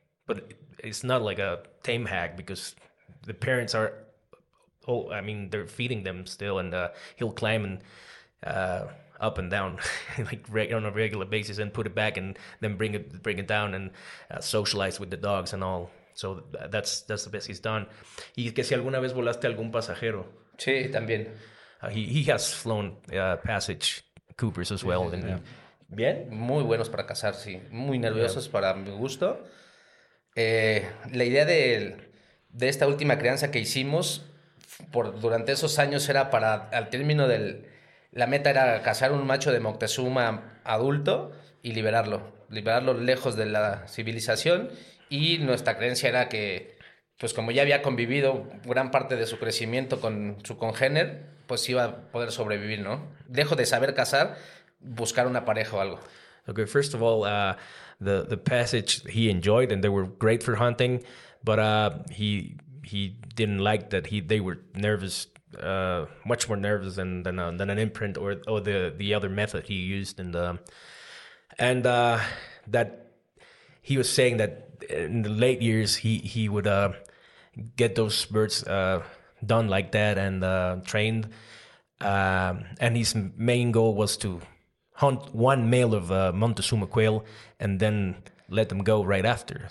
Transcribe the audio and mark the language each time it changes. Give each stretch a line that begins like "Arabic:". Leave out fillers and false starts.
English: But it's not like a tame hack, because the parents are, they're feeding them still, and he'll climb and up and down on a regular basis, and put it back, and then bring it down, and socialize with the dogs and all. So that's the best he's done.
Spanish: ¿Y que si alguna vez volaste algún pasajero? Sí, también.
English: He has flown passage Coopers as well.
Spanish: Yeah. Bien, muy buenos para cazar, sí. Muy nerviosos para mi gusto. La idea de esta última crianza que hicimos durante esos años era para, al término del... La meta era cazar un macho de Moctezuma adulto y liberarlo lejos de la civilización. Y nuestra creencia era que, pues como ya había convivido gran parte de su crecimiento con su congénere, pues iba a poder sobrevivir, ¿no? Lejos de saber cazar, buscar una pareja o algo.
English: Okay, first of all, the passage he enjoyed, and they were great for hunting, but he didn't like that they were nervous. Much more nervous than an imprint or the other method he used, and that he was saying that in the late years he would get those birds done like that and trained, and his main goal was to hunt one male of Montezuma quail and then let them go right after.